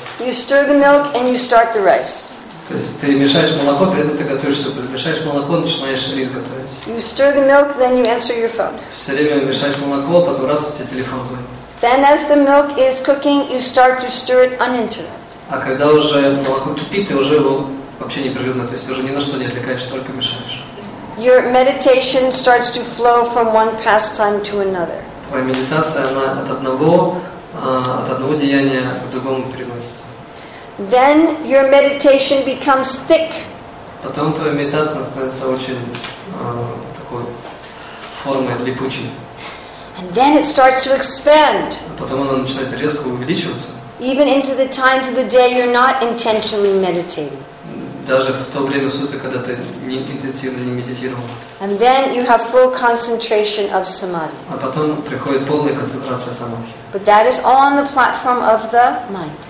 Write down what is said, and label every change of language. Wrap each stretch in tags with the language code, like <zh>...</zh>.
<en>You stir the milk and you start the rice.</en> <ru>То есть ты мешаешь молоко, при этом ты готовишь суп. Мешаешь молоко, начинаешь рис готовить.</ru> <en>You stir the milk, then you answer your phone.</en> <ru>Все время мешаешь молоко, потом раз у тебя телефон звонит.</ru> <en>Then as the milk is cooking, you start to stir it uninterrupted.</en> <ru>А когда уже молоко кипит, ты уже его вообще непрерывно, то есть уже ни на что не отвлекаешь, только мешаешь.</ru> <en>Your meditation starts to flow from one pastime to another.</en> <ru>Твоя медитация, она от одного деяния к другому переносится.</ru> <en>Then your meditation becomes thick.</en> <ru>Потом твоя медитация становится очень такой формой липучей.</ru> <en>And then it starts to expand.</en> <ru>Потом она начинает резко увеличиваться.</ru> <en>Even into the times of the day you're not intentionally meditating.</en> <ru>Даже в то время суток, когда ты не интенсивно не медитировал.</ru> <en>And then you have full concentration of samadhi.</en> <ru>А потом приходит полная концентрация самадхи.</ru> <en>But that is all on the platform of the mind.</en>